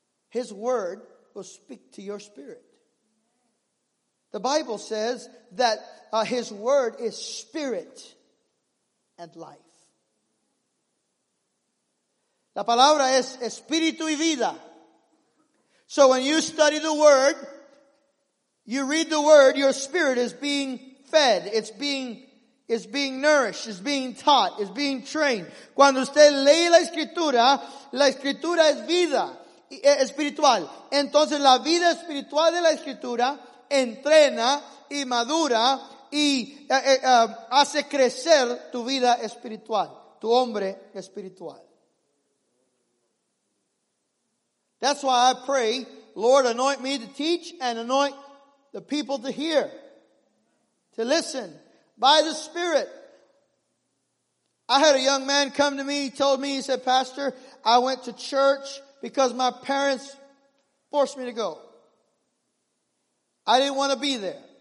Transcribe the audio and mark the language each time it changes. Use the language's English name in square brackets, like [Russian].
[English] His word will speak to your spirit. The Bible says that his word is spirit and life. [Spanish] La palabra es espíritu y vida. [English] So when you study the word, you read the word, your spirit is being fed. It's being nourished. It's being taught. It's being trained. [Spanish] Cuando usted lee la escritura es vida espiritual. Entonces la vida espiritual de la escritura entrena y madura y hace crecer tu vida espiritual, tu hombre espiritual. [English] That's why I pray, Lord, anoint me to teach and anoint the people to hear, to listen by the Spirit. I had a young man come to me. He told me, he said, Pastor, I went to church because my parents forced me to go. I didn't want to be there.